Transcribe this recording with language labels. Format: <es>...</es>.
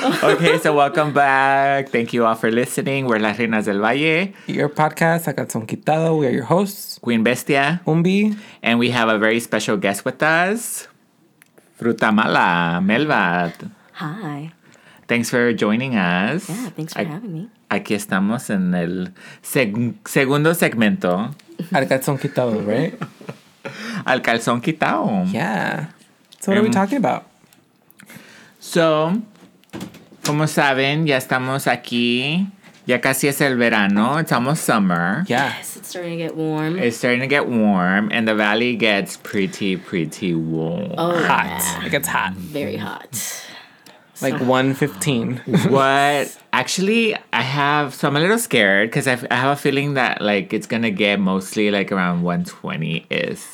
<en>Okay, so welcome back. Thank you all for listening. We're Las Reinas del Valle. Your podcast, Acá Son Quitado. We are your hosts. Queen Bestia. Umbi. And we have a very special guest with us. Fruta Mala, Melvat. Hi. Thanks for joining us. Yeah, thanks for having me.</en> <es>Aquí estamos en el segundo segmento. Al Calzón Quitado, right? Al Calzón Quitado.</es> <en>Yeah. So what are we talking about?</en> <es>So, como saben, ya estamos aquí. Ya casi es el verano. It's almost summer.</es> <en>Yeah. Yes, it's starting to get warm. It's starting to get warm, and the valley gets pretty, pretty warm. Oh, hot. Yeah. It gets hot. Very hot. Like 115. What? Actually, I have, so I'm a little scared because I have a feeling that like it's gonna get mostly like around 120 is.</en>